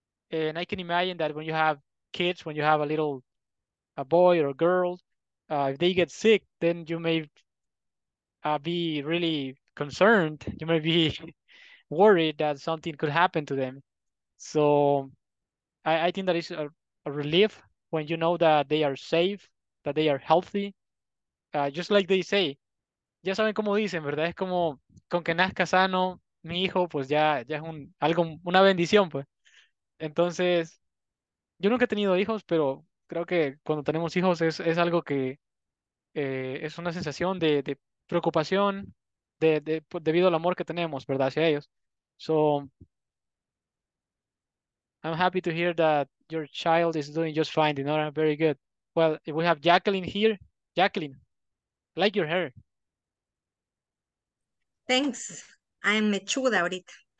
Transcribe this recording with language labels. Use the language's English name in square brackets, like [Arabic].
[English] And I can imagine that when you have kids, when you have a boy or a girl, if they get sick, then you may be really concerned. You may be worried that something could happen to them. So I think that is a relief when you know that they are safe, that they are healthy. Just like they say, [Spanish] ya saben cómo dicen, ¿verdad? Es como con que nazca sano mi hijo, pues ya es una bendición, pues. Entonces, yo nunca he tenido hijos, pero creo que cuando tenemos hijos es algo que es una sensación de preocupación de debido al amor que tenemos, ¿verdad? Hacia ellos. [English] So, I'm happy to hear that your child is doing just fine, you know, very good. Well, if we have Jacqueline here. Jacqueline, I like your hair. Thanks. I'm [Spanish] mechuda ahorita.